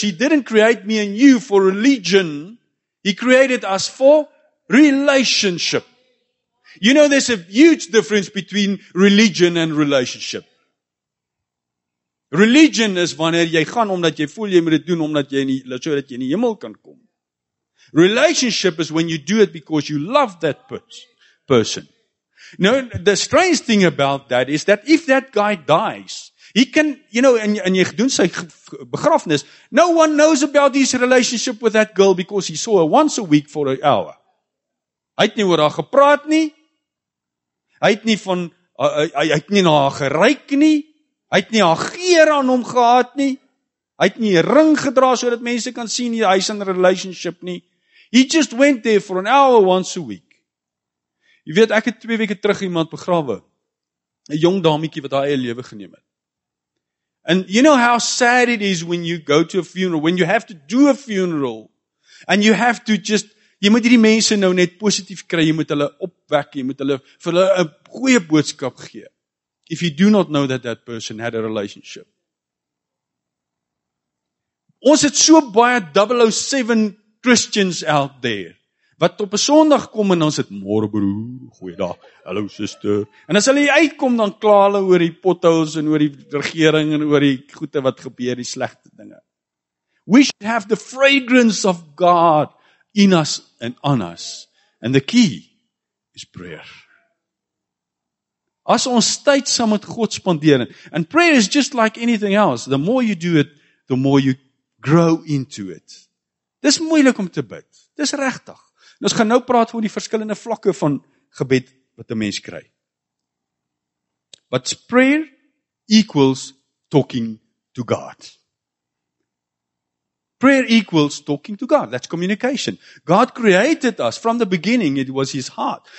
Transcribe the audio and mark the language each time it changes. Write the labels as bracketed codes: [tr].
[en] He didn't create me and you for religion. He created us for relationship. You know, there's a huge difference between religion and relationship. [af] Religion is wanneer jy gaan omdat jy voel jy moet dit doen omdat jy in die, sodat jy in die hemel kan kom. [en] Relationship is when you do it because you love that person. Now, the strange thing about that is that if that guy dies, he can, you know, and [af] jy doen sy begrafnis, [en] no one knows about his relationship with that girl because he saw her once a week for an hour. [af] Hy het nie oor haar gepraat nie. Hy het nie van hy het nie na haar geruik nie. Hy het nie haar geur aan hom gehad nie. Hy het nie 'n ring gedra sodat mense kan sien hy is in 'n relationship nie. [en] He just went there for an hour once a week. [af] Jy weet, ek het 2 weke terug iemand begrawe. 'n Jong dametjie wat haar eie lewe geneem het. [en] And you know how sad it is when you go to a funeral, when you have to do a funeral and you have to just [af] jy moet hierdie mense nou net positief kry, jy moet hulle opwek, jy moet hulle vir hulle 'n goeie boodskap gee. [en] If you do not know that that person had a relationship. [af] Ons het so baie 007 Christians out there, wat op 'n Sondag kom en ons het môre broer, goeiedag, hallo sister. En as hulle uitkom, dan kla hulle oor die potholes en oor die regering en oor die goeie wat gebeur, die slegte dinge. [en] We should have the fragrance of God in us and on us. And the key is prayer. [af] As ons tyd saam met God spandeer, [en] and prayer is just like anything else, the more you do it, the more you grow into it. [af] Dis moeilik om te bid. Dis regtig. En ons gaan nou praat oor die verskillende vlakke van gebed wat 'n mens kry. [en] But prayer equals talking to God. Prayer equals talking to God. That's communication. God created us from the beginning. It was his heart.